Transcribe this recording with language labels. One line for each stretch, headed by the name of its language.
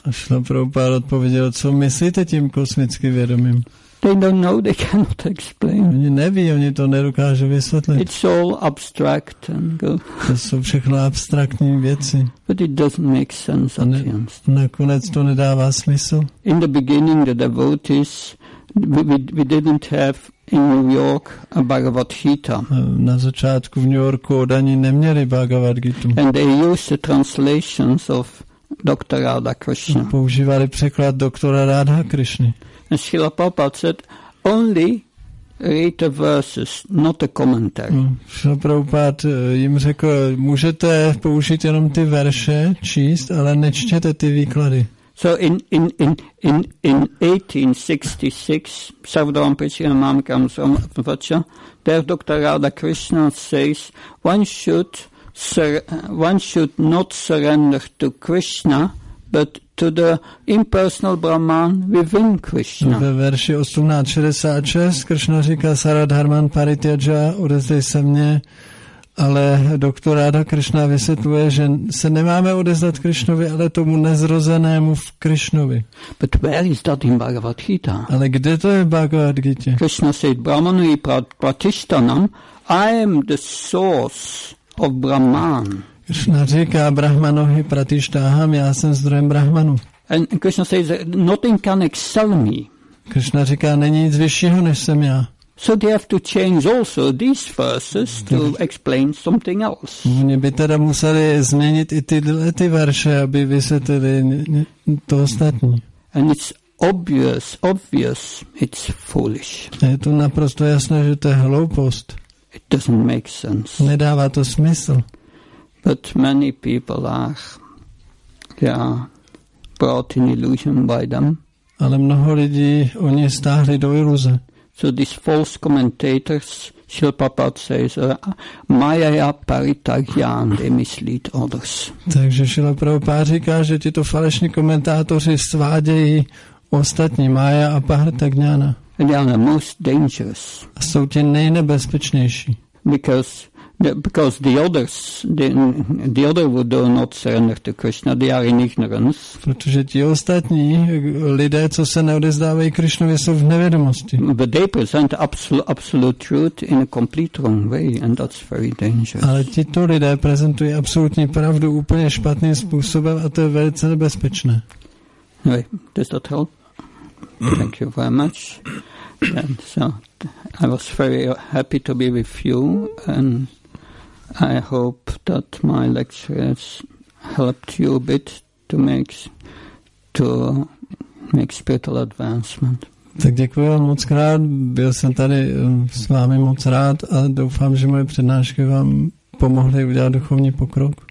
Czech: Srila Prabhupada odpověděl, co myslíte tím kosmickým vědomím?
English: They don't know, they cannot explain.
Czech: Oni neví, oni to nedokáže vysvětlit.
English: It's all abstract and go.
Czech: To jsou všechno abstraktní věci.
English: But it doesn't make sense at the end.
Czech: Nakonec to nedává smysl.
English: In the beginning, the devotees, we didn't have in New York a Bhagavad Gita.
Czech: Na začátku v New Yorku oni neměli Bhagavad Gita.
English: And they used the translations of Dr. Radha Krishna.
Czech: Používali překlad doktora Radha Krishny.
English: And Srila Prabhupada said, only read the verses, not the commentary.
Czech: Srila Prabhupada jim řekl, můžete použít jenom ty verše, číst, ale nečtěte ty výklady.
English: So in 1866, Sarvadharma Prichina Mamakam Sramavacha, there Dr. Radha Krishna says, one should not surrender to Krishna, but to the impersonal Brahman within Krishna.
Czech: Ve verši 1866 Krishna říká Saradharman Parityaja, odezdej se mně, ale doktor Radha Krishna vysvětluje, že se nemáme odezdat Krishnovi, ale tomu nezrozenému v Krishnovi.
English: But where is that in Bhagavad Gita?
Czech: Ale kde to je Bhagavad Gita?
English: Krishna said, Brahmanu i pratishtanam, I am the source of Brahman.
Czech: Krishna říká Brahmanohi pratishtaham, já jsem zdrojem Brahmanu.
English: And Krishna says nothing can excel me.
Czech: Krishna říká není nic vyššího než jsem já.
English: So they have to change also these verses to explain something else.
Czech: Oni by teda museli změnit i tyhle ty verše, aby vysvětlili to ostatní.
English: And it's obvious it's foolish.
Czech: A je to naprosto jasné, že to je hloupost.
English: It doesn't make sense.
Czech: Nedává to smysl.
English: But many people are, yeah, brought in illusion by them.
Czech: Ale mnoho lidí oni stáhli do iluze.
English: So these false commentators, Shilpapad says, Maya Parita Gyan, they mislead others.
Czech: Takže Shilpapad říká, že tyto falešní komentátoři svádějí ostatní, Maya a Parita Gyana.
English: And they are the most dangerous.
Czech: A jsou ti nejnebezpečnější.
English: Because the others would not surrender to Krishna, they are in ignorance.
Czech: Protože ti ostatní lidé, co se neodezdávají Krishnovi, jsou v nevědomosti.
English: But they present absolute truth in a complete wrong way, and that's very dangerous.
Czech: Ale tito lidé prezentují absolutní pravdu úplně špatným způsobem a to je velice nebezpečné.
English: Anyway, does that help? Thank you very much. And so I was very happy to be with you, and I hope that my lecture has helped you a bit to make spiritual advancement.
Czech: Tak děkuji vám moc krát, byl jsem tady s vámi moc rád a doufám, že moje přednášky vám pomohly udělat duchovní pokrok.